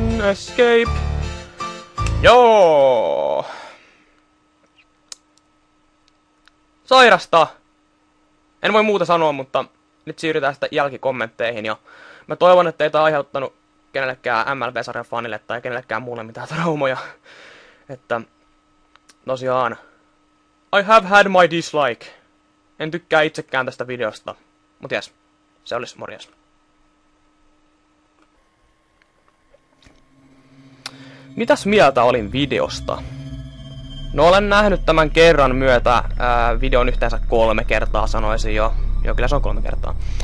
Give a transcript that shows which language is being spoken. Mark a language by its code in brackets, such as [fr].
[fi] Escape! Joo! Sairasta! En voi muuta sanoa, mutta nyt siirrytään sitä jälkikommentteihin ja mä toivon, että ei tää aiheuttanut kenellekään MLB-sarjan fanille tai kenellekään muulle mitään traumoja. Että tosiaan, [en] I have had my dislike. [fi] En tykkää itsekään tästä videosta, mut jes, se olis morjes. Mitäs mieltä olin videosta? No olen nähnyt tämän kerran myötä videon yhteensä 3 kertaa, sanoisin jo. Joo, kyllä se on 3 kertaa.